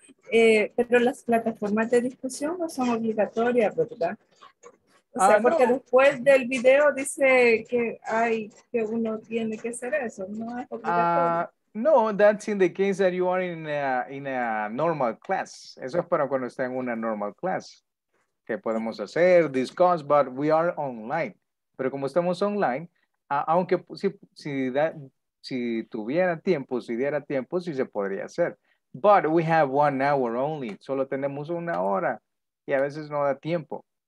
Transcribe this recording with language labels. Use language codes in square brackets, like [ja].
[es] Pero las plataformas de discusión no son obligatorias, ¿verdad? O sea, porque no. Después del video dice que uno tiene que hacer eso. No es obligatorio. [en] No, that's in the case that you are in a normal class. [es] Eso es para cuando está en una normal class. Que podemos hacer, [en] discuss, but we are online. [es] Pero como estamos online, aunque si diera tiempo, sí se podría hacer. [en] But we have 1 hour only. [es] Solo tenemos una hora y a veces no da tiempo.